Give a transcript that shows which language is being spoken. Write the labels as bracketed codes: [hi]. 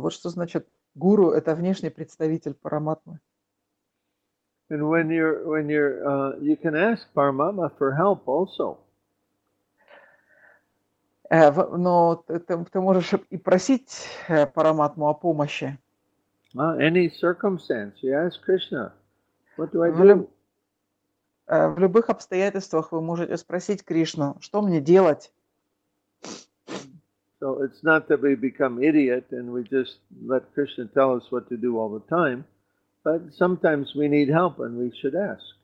[ru] Вот что значит гуру, это внешний представитель параматмы. [en] And when you can ask Paramatma for help also. [ru] Но ты можешь и просить Параматму о помощи. [en] Any circumstance, you ask Krishna, what do I do? [ru] В любых обстоятельствах вы можете спросить Кришну, что мне делать? [en] So it's not that we become idiot and we just let Krishna tell us what to do all the time. But sometimes we need help and we should ask.